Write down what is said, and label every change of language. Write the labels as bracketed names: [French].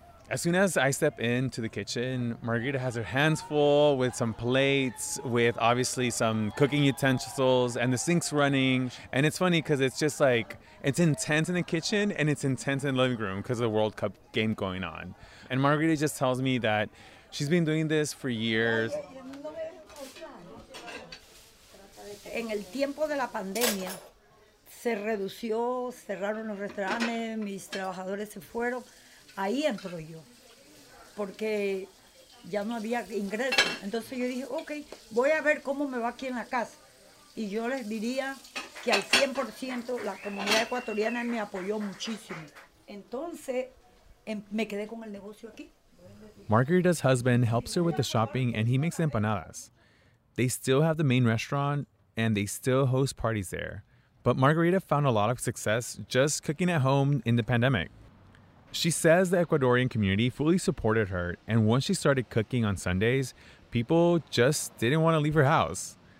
[English] As soon as I step into the kitchen, Margarita has her hands full with some plates, with obviously some cooking utensils, and the sink's running. And it's funny because it's just like, it's intense in the kitchen and it's intense in the living room because of the World Cup game going on. And Margarita just tells me that she's been doing this for years. [Spanish] En el tiempo de la pandemia, se redució, cerraron los restaurantes, mis trabajadores se fueron. Ahí entro yo, porque ya no había ingreso. Entonces yo dije, ok, voy a ver cómo me va aquí en la casa. Y yo les diría que al 100% la comunidad ecuatoriana me apoyó muchísimo. Entonces me quedé con el negocio aquí. [English] Margarita's husband helps her with the shopping and he makes empanadas. They still have the main restaurant and they still host parties there. But Margarita found a lot of success just cooking at home in the pandemic. She says the Ecuadorian community fully supported her, and once she started cooking on Sundays, people just didn't want to leave her house.